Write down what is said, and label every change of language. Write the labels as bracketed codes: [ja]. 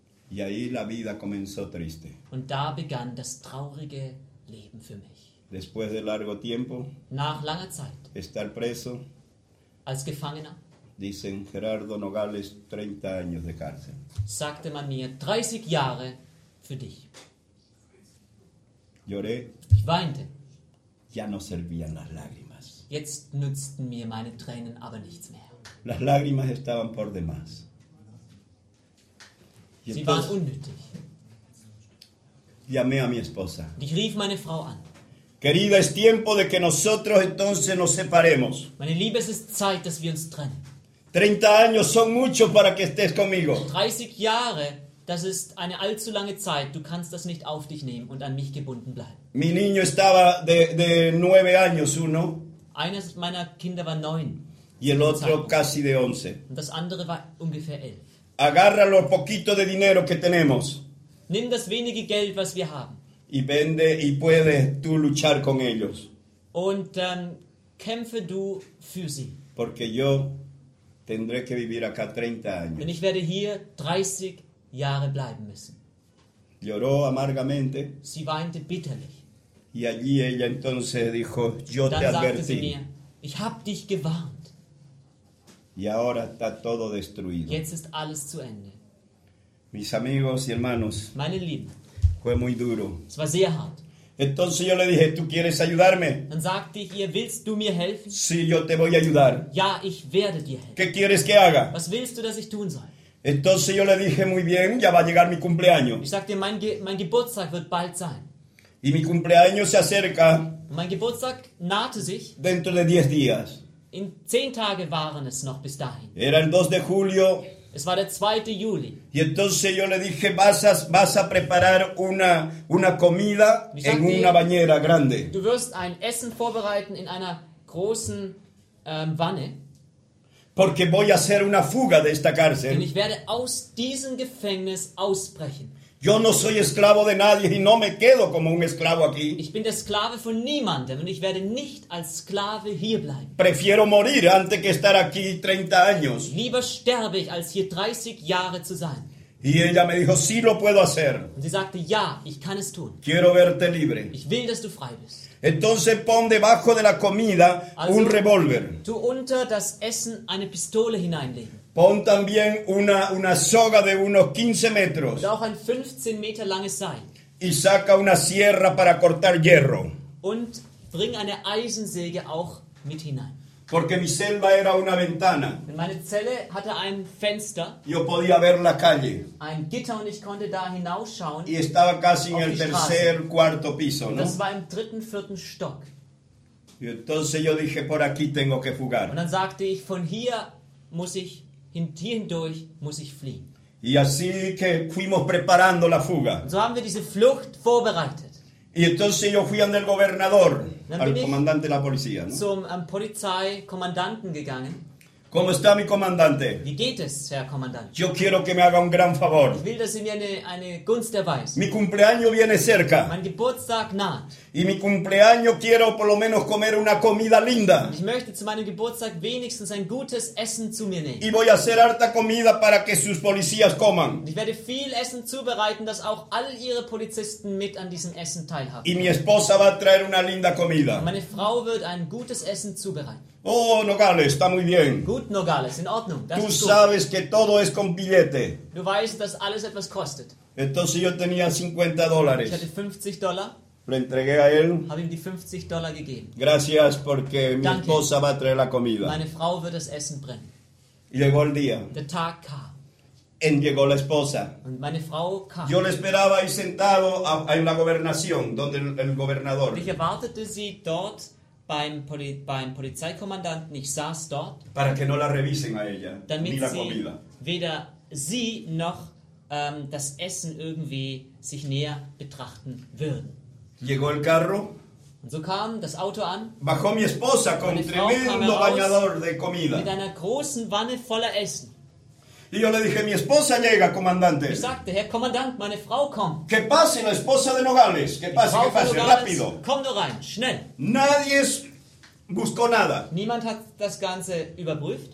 [es] Y ahí la vida comenzó triste. [de] Und da begann das traurige Leben für mich. [es] Después de largo tiempo, [de] nach langer Zeit, [es] estar preso, [de] als Gefangener, [es] dicen Gerardo Nogales, 30 años de cárcel. [de] Sagte man mir, 30 Jahre für dich. [es] Lloré. [de] Ich weinte. [es] Ya no servían las lágrimas. [de] Jetzt nützten mir meine Tränen aber nichts mehr. [es] Las lágrimas estaban por demás. Y [de] sie [es] entonces, [de] waren unnötig. [es] Llamé a mi esposa. [de] Ich rief meine Frau an. [es] Querida, es tiempo de que nosotros entonces nos separemos. [de] Meine Liebe, es ist Zeit, dass wir uns trennen. [es] 30 años son mucho para que estés conmigo. [de] 30 Jahre, das ist eine allzu lange Zeit. Du kannst das nicht auf dich nehmen und an mich gebunden bleiben. [es] Mi niño estaba de 9 años, uno. [de] Eines meiner Kinder war 9. [es] Y el otro casi de 11. [de] Und das andere war ungefähr 11. [es] Agarra lo poquito de dinero que tenemos. [de] Nimm das wenige Geld, was wir haben. [es] Y vende y puedes tú luchar con ellos. [de] Und kämpfe du für sie. [es] Porque yo tendré que vivir acá 30 años. [de] Denn ich werde hier 30 Jahre bleiben müssen. [es] Lloró amargamente. [de] Sie weinte bitterlich. [es] Y allí ella entonces dijo, yo [de] dann [es] te advertí. [de] Ich habe dich gewarnt. [es] Y ahora está todo destruido. [de] Jetzt ist alles zu Ende. [es] Mis amigos y hermanos. [de] Meine Lieben. [es] Fue muy duro. [de] Es war sehr hart. [es] Entonces yo le dije, ¿tú quieres ayudarme? [de] Dann sagte ich ihr, willst du mir helfen? [es] Sí, yo te voy a ayudar. [de] Ja, ich werde dir helfen. [es] ¿Qué quieres que haga? [de] Was willst du, dass ich tun soll? [es] Entonces yo le dije, muy bien, ya va a llegar mi cumpleaños. [de] Ich sagte, mein Geburtstag wird bald sein. [es] Y mi cumpleaños se acerca. [de] Mein Geburtstag nahte sich. [es] Dentro de 10 días. [de] In 10 Tage waren es noch bis dahin. [es] Era el 2 de julio. [de] Es war der 2. Juli. [es] Y entonces yo le dije, vas a preparar una comida en una bañera grande. [de] Du wirst ein Essen vorbereiten in einer großen Wanne. [es] Porque voy a hacer una fuga de esta cárcel. [de] Denn ich werde aus diesem Gefängnis ausbrechen. [es] Yo no soy esclavo de nadie y no me quedo como un esclavo aquí. [de] Ich bin der Sklave von niemandem und ich werde nicht als Sklave hier bleiben. [es] Prefiero morir antes que estar aquí 30 años. [de] Lieber sterbe ich als hier 30 Jahre zu sein. [es] Y ella me dijo, sí lo puedo hacer. [de] Und sie sagte, ja, ich kann es tun. [es] Quiero verte libre. [de] Ich will, dass du frei bist. [es] Entonces pon debajo de la comida [de] also, [es] un revólver. [de] Tu unter das Essen eine Pistole hineinlegen. [es] Pon también una soga de unos 15 metros. [de] Und auch ein 15 Meter langes Seil. [es] Y saca una sierra para cortar hierro. [de] Und bring eine Eisensäge auch mit hinein. [es] Porque mi celda era una ventana. [de] Denn meine Zelle hatte ein Fenster. [es] Yo podía ver la calle. [de] Ein Gitter und ich konnte da hinausschauen. [es] Y estaba casi en el tercer, cuarto piso, ¿no? [de] Das war im dritten, vierten Stock. [es] Y entonces yo dije, por aquí tengo que fugar. [de] Und dann sagte ich, von hier muss ich hindurch muss ich fliehen. [es] Y así que fuimos preparando la fuga. [de] So haben wir diese Flucht vorbereitet. [es] Y entonces yo fui ante el gobernador, al comandante de la policía, ¿no? [de] Zum Polizeikommandanten gegangen. [es] ¿Cómo está mi comandante? [de] Wie geht es, Herr Kommandant? [es] Yo quiero que me haga un gran favor. [de] Ich will, dass Sie mir eine Gunst erweisen. [es] Mi cumpleaños viene cerca. [de] Mein Geburtstag naht. [es] Y mi cumpleaños quiero por lo menos comer una comida linda. [de] Ich möchte zu meinem Geburtstag wenigstens ein gutes Essen zu mir nehmen. [es] Y voy a hacer harta comida para que sus policías coman. [de] Ich werde viel Essen zubereiten, dass auch all ihre Polizisten mit an diesem Essen teilhaben. [es] Y mi esposa va a traer una linda comida. [de] Und meine Frau wird ein gutes Essen zubereiten. [es] Oh, Nogales, está muy bien. [de] Gut, Nogales, in Ordnung. [es] Tú sabes que todo es con billete. [de] Du weißt, dass alles etwas kostet. [es] Entonces yo tenía 50 dólares. [de] Ich hatte 50 Dollar. [es] Le entregué a él. [de] Habe ihm die 50 Dollar gegeben. [es] Gracias, porque mi esposa va a traer la comida. [de] Meine Frau wird das Essen bringen. [es] Llegó el día. [de] Der Tag kam. [es] En llegó la esposa. [de] Und meine Frau kam. [es] Yo le esperaba ahí sentado en la gobernación, donde el gobernador. [de] Ich erwartete sie dort. Beim Polizeikommandanten, ich saß dort, [es] para que no la revisen a ella, [de] damit [es] ni la [de] sie [es] comida. [de] Weder sie noch das Essen irgendwie sich näher betrachten würden. [es] Llegó el carro, [de] und so kam das Auto an, [es] bajó mi esposa con tremendo bañador de comida. [de] Mit einer großen Wanne voller Essen. [es] Y yo le dije, mi esposa llega, comandante. [de] Ich sagte, Herr Kommandant, meine Frau kommt. [es] Que pase la esposa de Nogales. Que pase, [de] Frau [es] que pase, Nogales, rápido. [de] Komm nur rein, schnell. [es] Nadie buscó nada. [de] Niemand hat das Ganze überprüft.